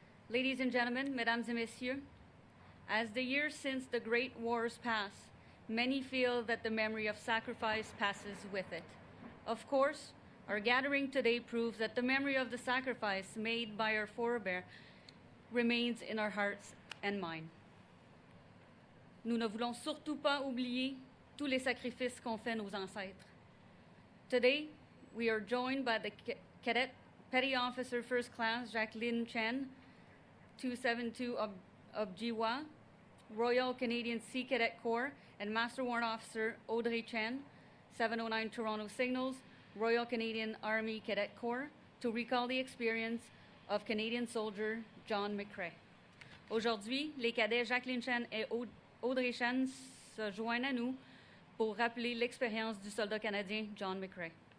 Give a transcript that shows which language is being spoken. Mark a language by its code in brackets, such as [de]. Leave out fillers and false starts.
[en] Ladies and gentlemen, [fr] mesdames et messieurs, [en] as the years since the great wars pass, many feel that the memory of sacrifice passes with it. Of course, our gathering today proves that the memory of the sacrifice made by our forebear remains in our hearts and minds. [fr] Nous ne voulons surtout pas oublier tous les sacrifices qu'ont fait nos ancêtres. [en] Today, we are joined by the cadet Petty Officer First Class Jacqueline Chen, 272 of Jiwa, Royal Canadian Sea Cadet Corps, and Master Warrant Officer Audrey Chen, 709 Toronto Signals, Royal Canadian Army Cadet Corps, to recall the experience of Canadian soldier John McCrae. [fr] Aujourd'hui, les cadets Jacqueline Chen et Audrey Chen se joignent à nous pour rappeler l'expérience du soldat canadien John McCrae.